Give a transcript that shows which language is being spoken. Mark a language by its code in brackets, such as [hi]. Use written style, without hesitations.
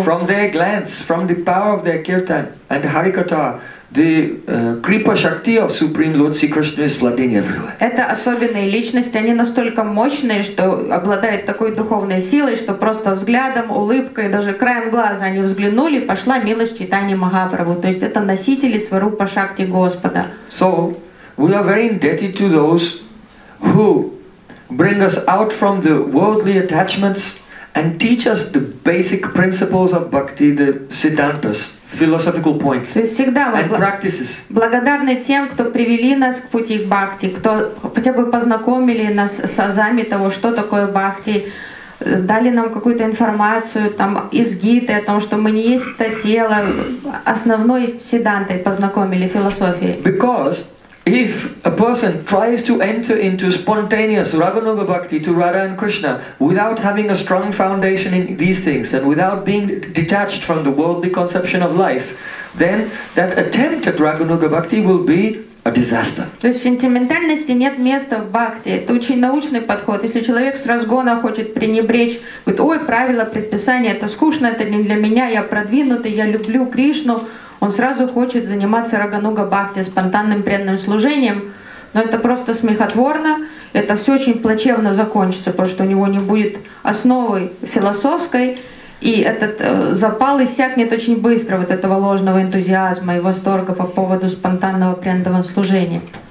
[en] From their glands, from the power of their kirtan and harikata, the kripa shakti of Supreme Lord Sri Krishna is flooding everywhere. [ru] Это особенные личности. Они настолько мощные, что обладают такой духовной силой, что просто взглядом, улыбкой, даже краем глаза они взглянули, пошла милость Чайтани Махапрабху. То есть это носители сварупа шакти Господа. [en] So, We are very indebted to those who bring us out from the worldly attachments and teach us the basic principles of bhakti, the siddhantas, philosophical points and practices. [ru] Благодарны тем, кто привели нас к пути бхакти, кто хотя бы познакомили нас с азами того, что такое бхакти, дали нам какую-то информацию там из гиты о том, что мы не есть это тело, основной сиддхантой познакомили, философией. [en] Because if a person tries to enter into spontaneous Raghunuga bhakti to Radha and Krishna without having a strong foundation in these things and without being detached from the worldly conception of life, then that attempt at Raghunuga bhakti will be a disaster. [ru] То есть сентиментальности нет места в бхакти. Это очень научный подход. Если человек с разгона хочет пренебречь, говорит, ой, правила, предписания, это скучно, это не для меня, я продвинутый, я люблю Кришну, он сразу хочет заниматься Рагануга Бхакти, спонтанным преданным служением, но это просто смехотворно, это все очень плачевно закончится, потому что у него не будет основы философской, и этот запал иссякнет очень быстро, вот этого ложного энтузиазма и восторга по поводу спонтанного преданного служения.